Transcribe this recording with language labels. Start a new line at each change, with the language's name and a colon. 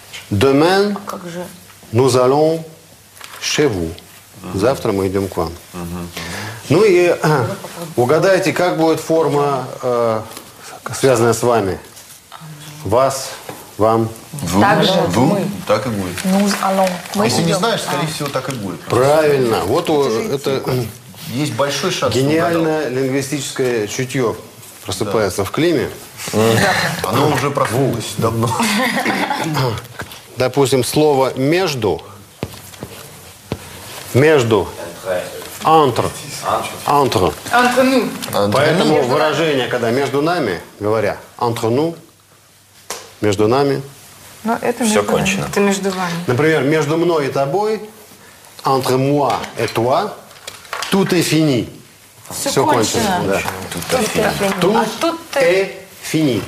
French: Demain, nous allons chez vous.
Russian: Завтра мы идем к вам. Ну и угадайте, как будет форма, связанная с вами. Вас, вам. Вы? Так же. Вы? Так и будет.
French: Nous allons.
Russian: Мы если идем. Не знаешь, скорее всего, так и будет. Правильно. Вот это... Есть большой шанс. Гениальное лингвистическое чутье просыпается в Климе. Оно уже проснулось давно. Допустим, слово «между».
French: «Между». «Entre». «Entre». «Entre nous».
Russian: Поэтому выражение, когда «между нами», говоря
French: «entre nous»,
Russian: «между нами». Но это все кончено. Это «между вами». Например, «между мной и тобой»,
French: «entre moi et toi», «tout est fini».
Russian: Все кончено. Да.
French: «Tout est fini». «Tout est фини».